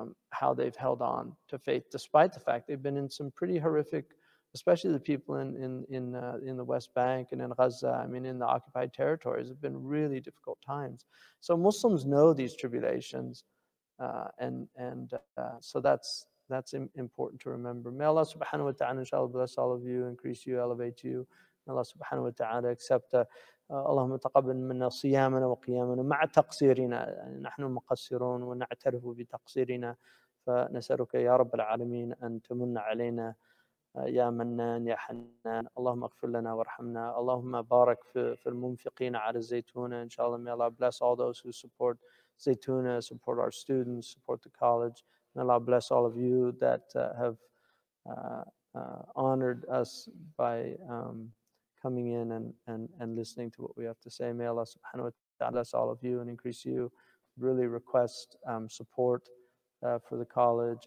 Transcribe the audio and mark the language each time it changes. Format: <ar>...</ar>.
<en>How they've held on to faith, despite the fact they've been in some pretty horrific, especially the people in the West Bank and in Gaza, I mean, in the occupied territories, have been really difficult times. So Muslims know these tribulations, so that's important to remember. May Allah subhanahu wa ta'ala, inshallah, bless all of you, increase you, elevate you. May Allah subhanahu wa ta'ala accept</en> <ar>اللهم تقبل منا صيامنا وقيامنا مع تقصيرنا نحن مقصرون ونعترف بتقصيرنا فنسألك يا رب العالمين أن تمن علينا يا منان يا حنان اللهم اغفر لنا وارحمنا اللهم بارك في المنفقين على الزيتونة إن شاء الله</ar> <en>may Allah bless all those who support Zaytuna, support our students, support the college. May Allah bless all of you that have honored us by coming in and listening to what we have to say. May Allah subhanahu wa ta'ala bless all of you and increase you. Really request support for the college.</en>